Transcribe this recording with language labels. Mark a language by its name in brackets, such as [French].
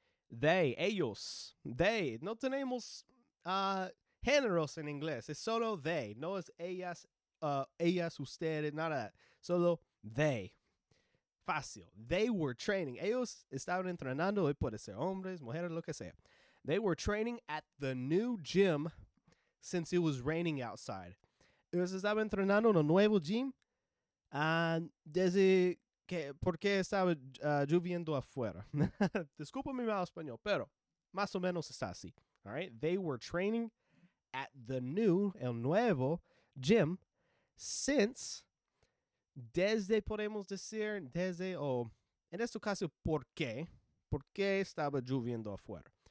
[Spanish] They, ellos. They, no tenemos géneros en inglés. Es solo they. No es ellas, ellas, ustedes, nada. Solo they. Fácil. [English] They were training. [Spanish] Ellos estaban entrenando. Hoy puede ser hombres, mujeres, lo que sea. [English] They were training at the new gym since it was raining outside. [Spanish] Ellos estaban entrenando en el nuevo gym desde que porque estaba lloviendo afuera. Disculpa mi mal español, pero más o menos está así. [English] All right. They were training at the new, [Spanish] el nuevo [English] gym since. [Spanish] Desde podemos decir, desde, en este caso, ¿por qué estaba lloviendo afuera?